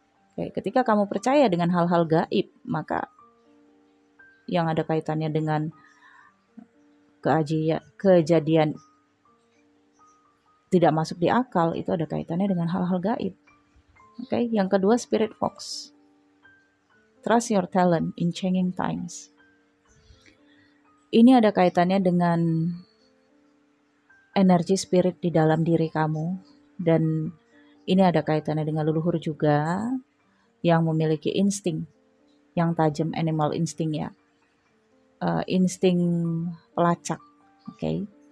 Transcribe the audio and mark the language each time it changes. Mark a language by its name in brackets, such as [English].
[Indonesian] Oke, ketika kamu percaya dengan hal-hal gaib, maka yang ada kaitannya dengan kejadian tidak masuk di akal, itu ada kaitannya dengan hal-hal gaib. Okay? Yang kedua, spirit fox. [English] Trust your talent in changing times. [Indonesian] Ini ada kaitannya dengan energi spirit di dalam diri kamu. Dan ini ada kaitannya dengan leluhur juga yang memiliki insting yang tajam, [English] animal instinct [Indonesian] ya. Insting pelacak, okay?